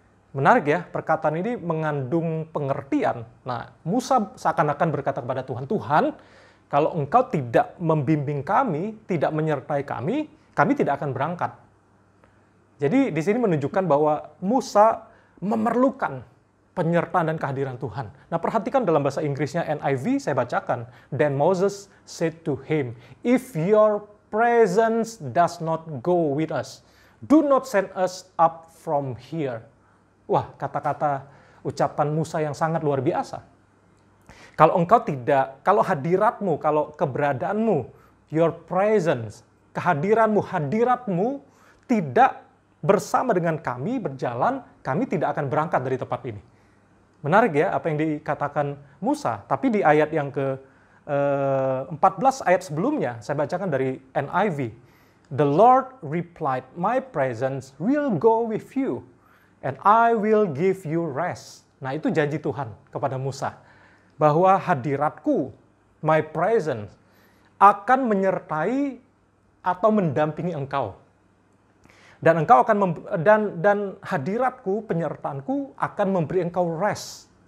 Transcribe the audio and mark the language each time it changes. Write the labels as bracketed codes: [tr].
[id] Menarik ya, perkataan ini mengandung pengertian. Nah, Musa seakan-akan berkata kepada Tuhan, Tuhan, kalau engkau tidak membimbing kami, tidak menyertai kami, kami tidak akan berangkat. Jadi di sini menunjukkan bahwa Musa memerlukan penyertaan dan kehadiran Tuhan. Nah, perhatikan dalam bahasa Inggrisnya NIV, saya bacakan. [en] Then Moses said to him, if your presence does not go with us, do not send us up from here. [id] Wah, kata-kata ucapan Musa yang sangat luar biasa. Kalau engkau tidak, kalau hadiratmu, kalau keberadaanmu, [en] your presence, [id] kehadiranmu, hadiratmu tidak bersama dengan kami berjalan, kami tidak akan berangkat dari tempat ini. Menarik ya apa yang dikatakan Musa. Tapi di ayat yang ke-14 ayat sebelumnya, saya bacakan dari NIV. [en] The Lord replied, my presence will go with you and I will give you rest. [id] Nah itu janji Tuhan kepada Musa. Bahwa hadiratku, [en] my presence, [id] akan menyertai atau mendampingi engkau. Dan engkau akan dan hadiratku, penyertaanku akan memberi engkau rest.